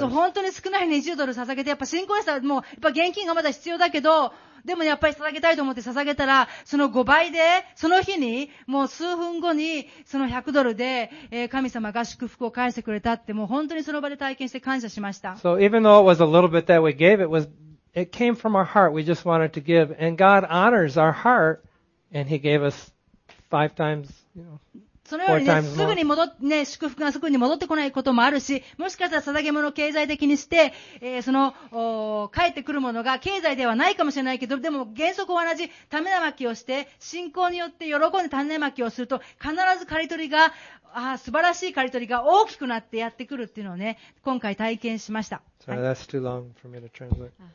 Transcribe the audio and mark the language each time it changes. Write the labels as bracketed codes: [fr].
[ja] そう、本当に少ない20ドル捧げて、やっぱ信仰したら、もう、やっぱ現金がまだ必要だけど、でもやっぱり捧げたいと思って捧げたら、その5倍で、その日に、もう数分後に、その100ドルで、神様が祝福を返してくれたって、もう本当にその場で体験して感謝しました。 [en] So, even though it was a little bit that we gave, it came from our heart. We just wanted to give. And God honors our heart. And he gave us five times, you know, four times more. [ja] そのようにね、すぐに戻っ、ね、祝福がすぐに戻ってこないこともあるし、もしかしたら捧げ物を経済的にして、その、帰ってくるものが経済ではないかもしれないけど、でも原則は同じ、種まきをして、信仰によって喜んで種まきをすると、必ず刈り取りが、素晴らしい刈り取りが大きくなってやってくるっていうのをね、今回体験しました。 [en] Sorry, that's too long for me to translate.